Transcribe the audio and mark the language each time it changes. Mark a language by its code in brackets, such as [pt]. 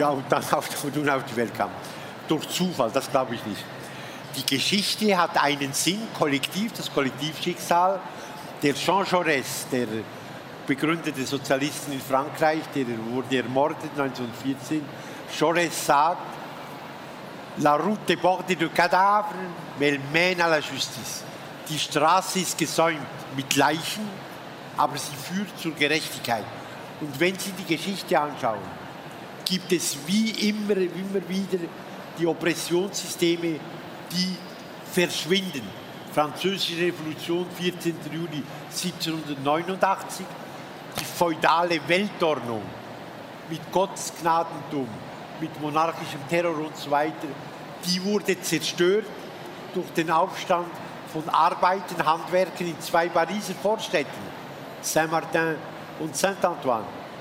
[de] Ja, und dann auf Thun auf die Welt kamen. Durch Zufall, das glaube ich nicht. Die Geschichte hat einen Sinn, kollektiv, das Kollektivschicksal. Der Jean Jaurès, der begründete Sozialisten in Frankreich, der wurde ermordet 1914. Jaurès sagt, [fr] La route borde de cadavres, mais mène à la justice. [de] Die Straße ist gesäumt mit Leichen, aber sie führt zur Gerechtigkeit. Und wenn Sie die Geschichte anschauen, gibt es wie immer wieder die Oppressionssysteme, die verschwinden. Französische Revolution, 14. Juli 1789, die feudale Weltordnung mit Gottesgnadentum, mit monarchischem Terror und so weiter, die wurde zerstört durch den Aufstand von Arbeitern, Handwerkern in 2 Pariser Vorstädten, Saint-Martin und Saint-Antoine.